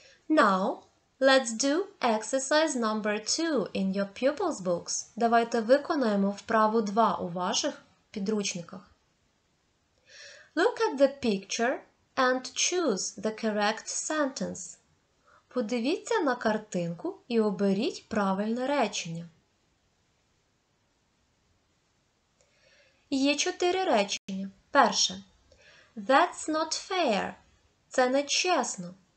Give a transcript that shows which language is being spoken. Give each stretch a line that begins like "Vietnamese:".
English: Now, let's do exercise number two in your pupils' books.
Ukrainian: Давайте виконаємо вправу 2 у ваших підручниках.
English: Look at the picture and choose the correct sentence.
Ukrainian: Подивіться на картинку і оберіть правильне речення. Є 4 речення. Перше.
English: That's not fair.
Ukrainian: Це не чесно.